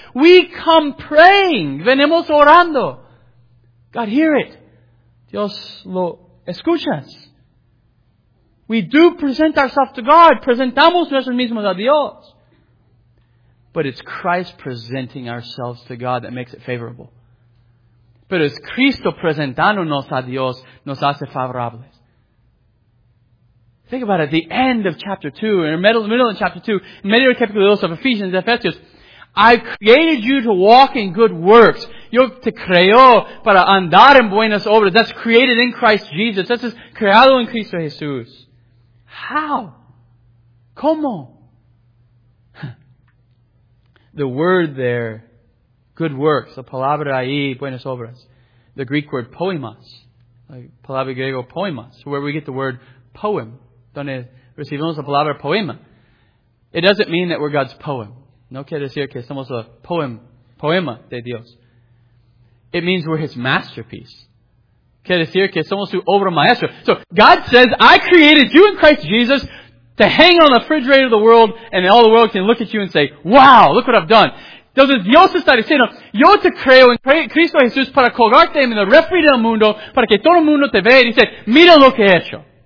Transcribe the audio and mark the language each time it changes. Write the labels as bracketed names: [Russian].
[English] We come praying. [Spanish] Venimos orando. [English] God, hear it. [Spanish] Dios lo escuchas. [English] We do present ourselves to God. [Spanish] Presentamos nosotros mismos a Dios. [English] But it's Christ presenting ourselves to God that makes it favorable. [Spanish] Pero es Cristo presentándonos a Dios nos hace favorables. [English] Think about it. The end of chapter 2, or middle of chapter 2, [Spanish] medio de capítulo 2 [English] of Ephesians, Ephesians. I've created you to walk in good works. [Spanish] Yo te creo para andar en buenas obras. [English] That's created in Christ Jesus. That's [Spanish] creado en Cristo Jesús. [English] How? [Spanish] ¿Cómo? [English] The word there, good works, the [Spanish] palabra ahí, buenas obras, [English] the Greek word poemas, like [Spanish] palabra griego poemas, [English] where we get the word poem, [Spanish] donde recibimos la palabra poema. [English] It doesn't mean that we're God's poem. [Spanish] No quiere decir que somos a poema de Dios. [English] It means we're His masterpiece. [Spanish] Quiere decir que somos su obra maestra. [English] So God says, I created you in Christ Jesus to hang on the refrigerator of the world, and all the world can look at you and say, wow, look what I've done. [Spanish] Entonces Dios está diciendo, yo te creo en Cristo Jesús para colgarte en el refri del mundo, para que todo el mundo te vea y dice, mira lo que he hecho.